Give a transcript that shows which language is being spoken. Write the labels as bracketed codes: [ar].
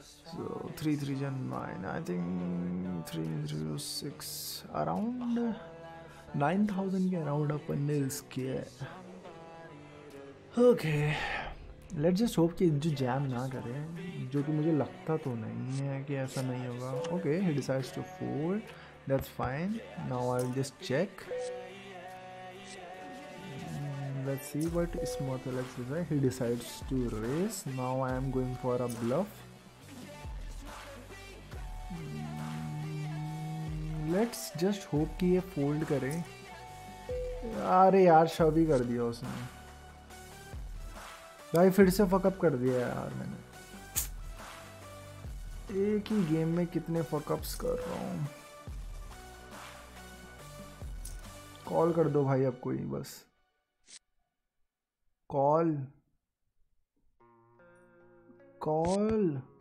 [hi] So 3 3 9 I think 3 6 around 9,000 के around अपन ने risk किया। ओके [en] let just hope [hi] कि इज्जू जैम ना करे, जो कि मुझे लगता तो नहीं है कि ऐसा नहीं होगा। [en] Okay he decides to fold, that's fine. Now I'll just check, let's see what Smooth Alex is. He decides to raise. Now I am going for a bluff. Let's just hope [hi] ki ye fold kare. अरे यार शव ही कर दिया उसने भाई, फिर से fuck up कर दिया यार मैंने, एक ही गेम में कितने फकअप्स कर रहा हूँ। कॉल कर दो भाई अब कोई, बस कॉल कॉल।